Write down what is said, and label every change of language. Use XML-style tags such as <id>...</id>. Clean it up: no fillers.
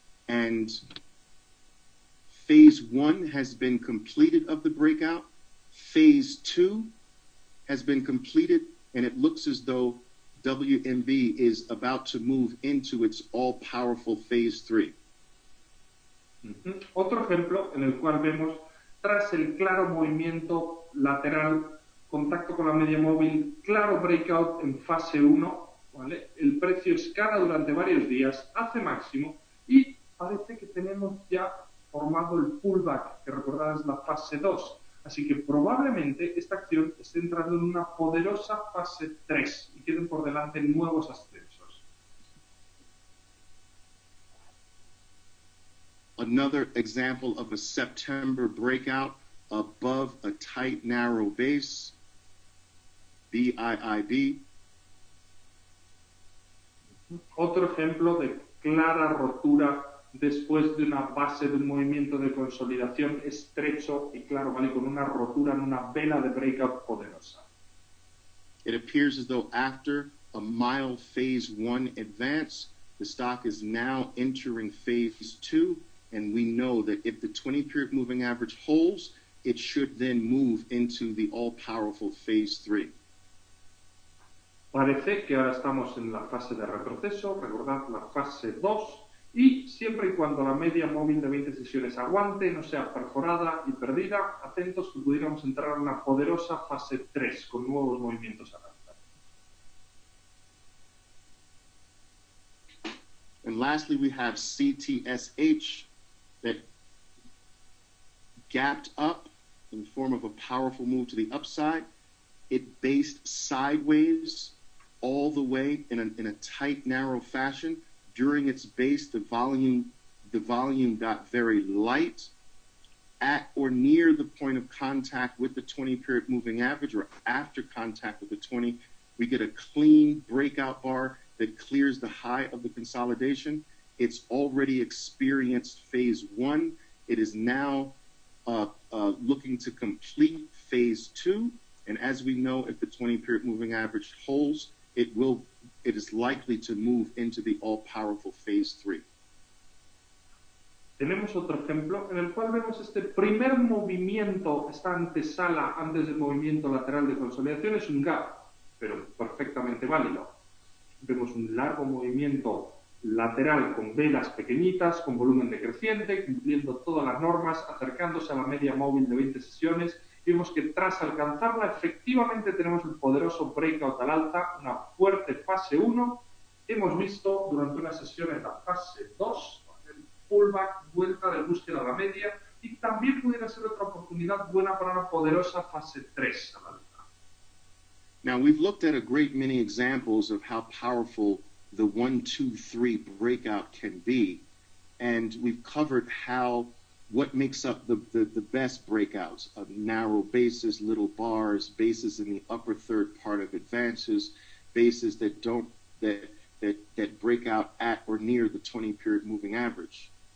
<en>And phase one has been completed of the breakout. Phase two has been completed, and it looks as though WMB is about to move into its all-powerful phase three.</en> <es>Otro ejemplo en el cual vemos, tras el claro movimiento lateral, contacto con la media móvil, claro breakout en fase 1, ¿vale? El precio escala durante varios días, hace máximo, y parece que tenemos ya formado el pullback, que recordarás la fase 2. Así que probablemente esta acción esté entrando en una poderosa fase 3 y queden por delante nuevos ascensos.</es> <en>Another example of a September breakout above a tight narrow base, BIIB.</en> <es>Otro ejemplo de clara rotura después de una base de un movimiento de consolidación estrecho y claro, ¿vale? Con una rotura en una vela de breakout poderosa.</es> <en>It appears as though after a mild phase one advance, the stock is now entering phase two, and we know that if the 20-period moving average holds, it should then move into the all-powerful phase three.</en> <es>Parece que ahora estamos en la fase de retroceso, recordad la fase 2, y siempre y cuando la media móvil de 20 sesiones aguante, no sea perforada y perdida, atentos que pudiéramos entrar en una poderosa fase 3 con nuevos movimientos a lanzar.</es> <en>And lastly we have CTSH that gapped up in the form of a powerful move to the upside. It based sideways all the way in a tight narrow fashion. During its base, the volume got very light at or near the point of contact with the 20-period moving average, or after contact with the 20, we get a clean breakout bar that clears the high of the consolidation. It's already experienced phase one. It is now looking to complete phase two. And as we know, if the 20-period moving average holds, it is likely to move into the all-powerful phase 3.</en> <es>Tenemos otro ejemplo en el cual vemos este primer movimiento, esta antesala antes del movimiento lateral de consolidación, es un gap, pero perfectamente válido. Vemos un largo movimiento lateral con velas pequeñitas, con volumen decreciente, cumpliendo todas las normas, acercándose a la media móvil de 20 sesiones. Vimos que tras alcanzarla, efectivamente tenemos el poderoso breakout al alta, una fuerte fase 1. Hemos visto durante una sesión en la fase 2, el pullback, vuelta de búsqueda a la media, y también pudiera ser otra oportunidad buena para una poderosa fase 3 al alta.</es> <en>Now, we've looked at a great many examples of how powerful the 1-2-3 breakout can be, and we've covered how what makes up the best breakouts, a narrow basis, little bars, bases in the upper third part of advances, bases that don't that break out at or near the 20-period moving average.</en>